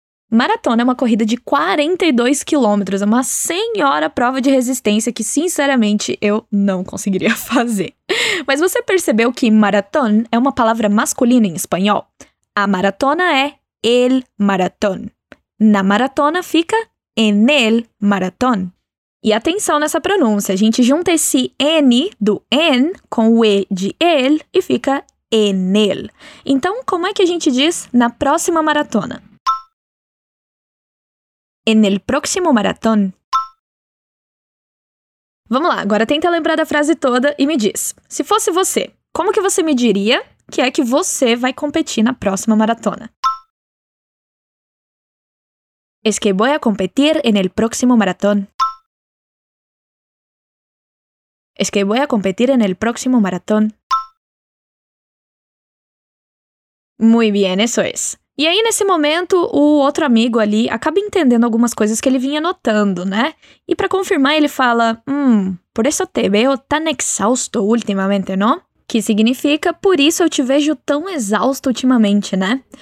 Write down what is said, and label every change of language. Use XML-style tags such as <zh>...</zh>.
<pt>Maratona é uma corrida de 42 quilômetros, uma senhora prova de resistência que, sinceramente, eu não conseguiria fazer. Mas você percebeu que maratón é uma palavra masculina em espanhol? A maratona é</pt> <es>el maratón.</es> <pt>Na maratona fica</pt> <es>en el maratón.</es> <pt>E atenção nessa pronúncia, a gente junta esse N do en com o E de el e fica en el. Então, como é que a gente diz na próxima maratona?</pt> <es>En el próximo maratón.</es> <pt>Vamos lá, agora tenta lembrar da frase toda e me diz. Se fosse você, como que você me diria que é que você vai competir na próxima maratona?</pt> <es>Es que voy a competir en el próximo maratón. Es que voy a competir en el próximo maratón. Muy bien, eso es.</es> <pt>E aí, nesse momento, o outro amigo ali acaba entendendo algumas coisas que ele vinha notando, né? E pra confirmar, ele fala:</pt> <es>por eso te veo tan exhausto ultimamente, ¿no?</es> <pt>Que significa: por isso eu te vejo tão exausto ultimamente, né?</pt>